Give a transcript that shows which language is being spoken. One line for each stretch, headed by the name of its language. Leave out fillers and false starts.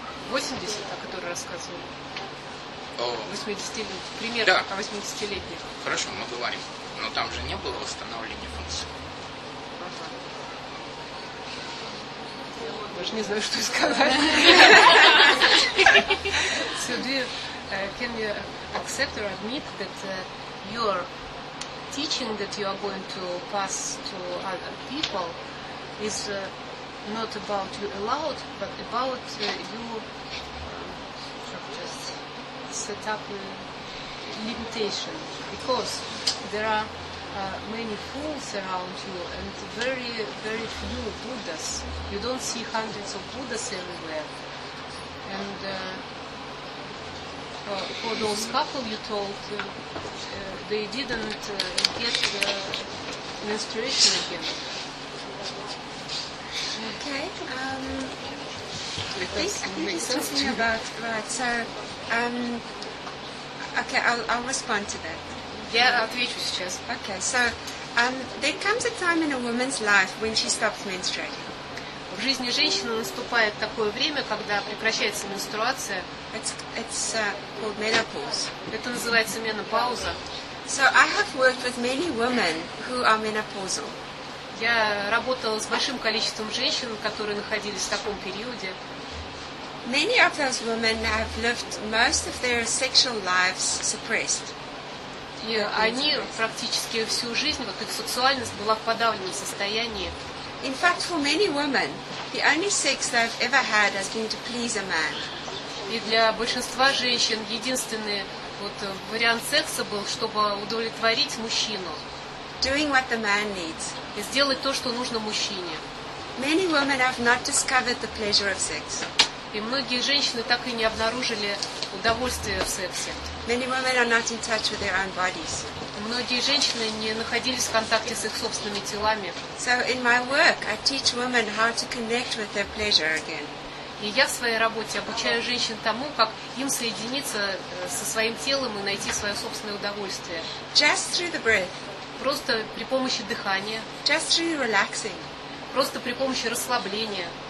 Russian: 80, о которой рассказывали. 80-летних. Пример, да. О 80-летних. Хорошо, мы говорим. Но там же не было восстановления функций. Даже не знаю, что сказать.
English: So do you, can you accept or admit that your teaching that you are going to pass to other people is not about you allowed, but about your just set up limitation, because there are many fools around you and very, very few Buddhas. You don't see hundreds of Buddhas everywhere. And for those couple you told, they didn't get the menstruation again. Okay. I'll respond to that. Okay, so there comes a time in a woman's life when she stops menstruating.
Russian: В жизни женщины наступает такое время, когда прекращается менструация.
English: It's called menopause.
Russian: Это называется менопауза.
English: So I have worked with many women who are menopausal.
Russian: Я работала с большим количеством женщин, которые находились в таком периоде.
English: Many of those women have lived most of their sexual lives suppressed.
Russian: И они практически всю жизнь, вот их сексуальность была в подавленном состоянии.
English: In fact, for many women, the only sex they've ever had has been to please a man.
Russian: И для большинства женщин единственный вот вариант секса был, чтобы удовлетворить мужчину.
English: Doing what the man needs.
Russian: И сделать то, что нужно мужчине.
English: Many women have not discovered the pleasure of sex.
Russian: И многие женщины так и не обнаружили удовольствие в сексе.
English: Many women are not in touch with their own bodies.
Russian: Многие женщины не находились в контакте с их собственными телами.
English: So in my work, I teach women how to connect with their pleasure again.
Russian: И я в своей работе обучаю женщин тому, как им соединиться со своим телом и найти свое собственное удовольствие.
English: Just through the breath.
Russian: Просто при помощи дыхания.
English: Just through relaxing.
Russian: Просто при помощи расслабления.